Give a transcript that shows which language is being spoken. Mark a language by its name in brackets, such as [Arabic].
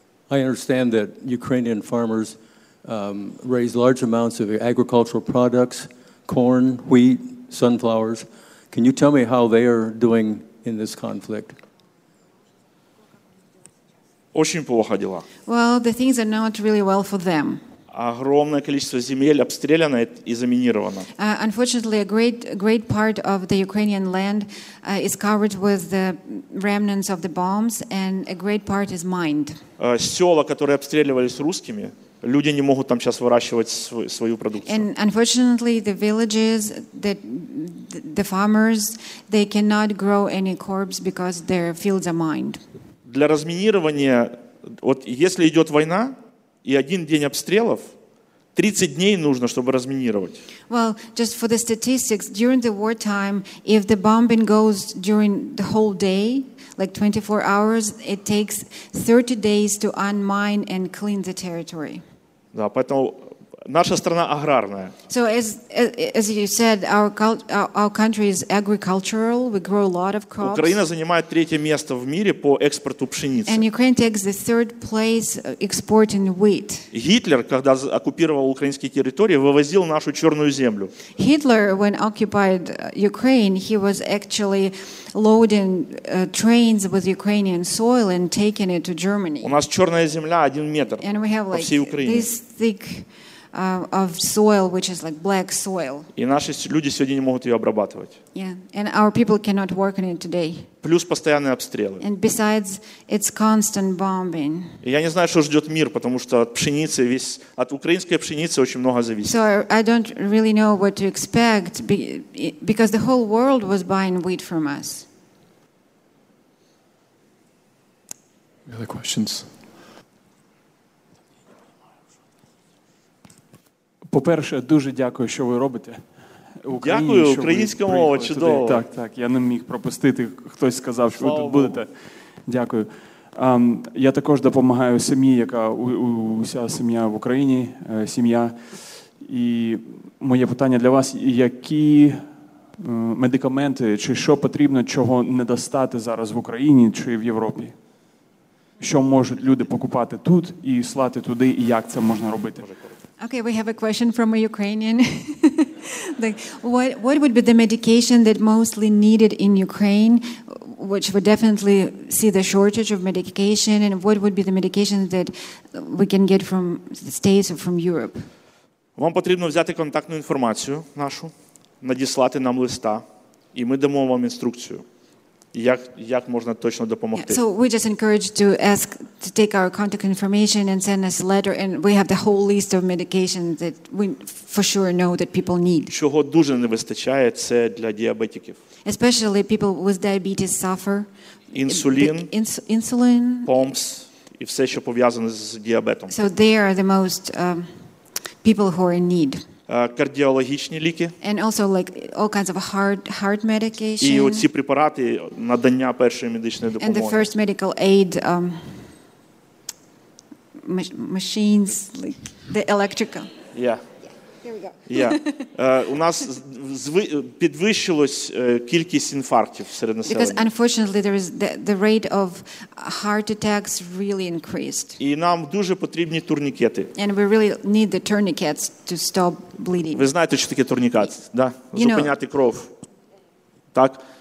[English] I understand that Ukrainian farmers raise large amounts of agricultural products, corn, wheat, sunflowers. Can you tell me how they are doing in this conflict? [Russian] Очень плохо дела. [English] Well, the things are not really well for them. [Ukrainian] Огромне кількість земель обстріляно і заміновано. [English] Unfortunately, a great part of the Ukrainian land is covered with the remnants of the bombs, and a great part is mined. [Ukrainian] Села, які обстрілювались російськими, люди не можуть там зараз вирощувати свою продукцію. [English] And unfortunately, the villages that the farmers, they cannot grow any crops because their fields are mined. [Ukrainian] Для розмінування, от якщо йде війна, і один день обстрілів, 30 днів потрібно, щоб розмінувати. [English] Well, just for the statistics, during the wartime, if the bombing goes during the whole day, like 24 hours, it takes 30 days to unmine and clean the territory. [Russian] Да, поэтому Наша страна аграрная. [English] So as you said, our country is agricultural. We grow a lot of crops. [Russian] Украина занимает третье место в мире по экспорту пшеницы. [English] And Ukraine takes the third place exporting wheat. [Russian] Гитлер, когда оккупировал украинские территории, вывозил нашу черную землю. [English] Hitler, when occupied Ukraine, he was actually loading trains with Ukrainian soil and taking it to Germany. [Russian] У нас черная земля 1 метр по всей Украине. [English] And we have like this thick of soil, which is like black soil. [Russian] И наши люди сегодня не могут ее обрабатывать. [English] Yeah, and our people cannot work on it today. [Russian] Плюс постоянные обстрелы. [English] And besides, it's constant bombing. [Russian] И я не знаю, что ждет мир, потому что от пшеницы от украинской пшеницы очень много зависит. [English] So I don't really know what to expect, because the whole world was buying wheat from us. Any other questions? [Ukrainian] По-перше, дуже дякую, що ви робите. Україні, дякую, українська мова, чудово. Так, так, я не міг пропустити, хтось сказав, що слава ви тут Богу будете. Дякую. Я також допомагаю сім'ї, яка уся сім'я в Україні, сім'я. І моє питання для вас, які медикаменти, чи що потрібно, чого не достати зараз в Україні чи в Європі? Що можуть люди покупати тут і слати туди, і як це можна робити? [English] Okay, we have a question from a Ukrainian. Like, what would be the medication that mostly needed in Ukraine, which would definitely see the shortage of medication, and what would be the medication that we can get from the States or from Europe? [Ukrainian] Вам потрібно взяти контактну інформацію нашу, надіслати нам листа, і ми дамо вам інструкцію. Як можна точно допомогти? [English] Yeah, so we just encourage to ask to take our contact information and send us a letter, and we have the whole list of medications that we for sure know that people need. [Ukrainian] Чого дуже не вистачає, це для діабетиків. [English] Especially people with diabetes suffer. [Ukrainian] Інсулін. [English] Insulin. [Ukrainian] Pumps і все, що пов'язане з діабетом. [English] So they are the most people who are in need. [Ukrainian] Кардіологічні ліки. [English] And also like all kinds of heart medication. [Ukrainian] І оці препарати надання першої медичної допомоги. [English] And the first medical aid machines, like the electrical. Yeah. Yeah. [Ukrainian] У нас підвищилась кількість інфарктів серед населення. [English] Because unfortunately there is the rate of heart attacks really increased. [Ukrainian] І нам дуже потрібні турнікети. [English] And we really need the tourniquets to stop bleeding. [Ukrainian] Ви знаєте, що таке турнікет, да? Зупиняти кров. Так?